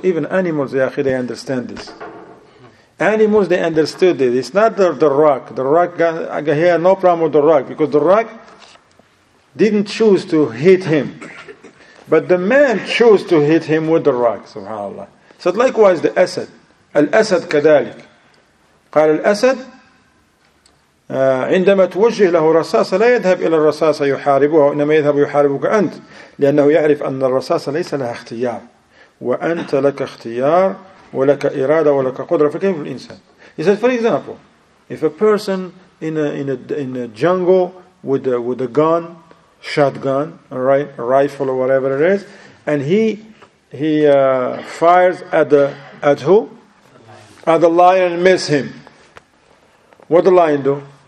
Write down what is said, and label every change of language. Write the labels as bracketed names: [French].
[English] Even animals, they understand this. Animals, they understood it. It's not the rock. The rock, I have no problem with the rock. Because the rock didn't choose to hit him. But the man chose to hit him with the rock, subhanAllah. So likewise the Asad. [Arabic] Al-Asad kadalik. قال الأسد عندما توجه له رصاصة لا يذهب إلى الرصاصة يحاربه إنما يذهب يحاربك أنت لأنه يعرف أن الرصاصة ليس لها اختيار وأنت لك اختيار ولك إرادة ولك قدرة فكيف الإنسان. [English] He said, for example, if a person in a jungle with a gun, shotgun, right, rifle or whatever it is, and he fires at who? At the lion and miss him. What the lion do?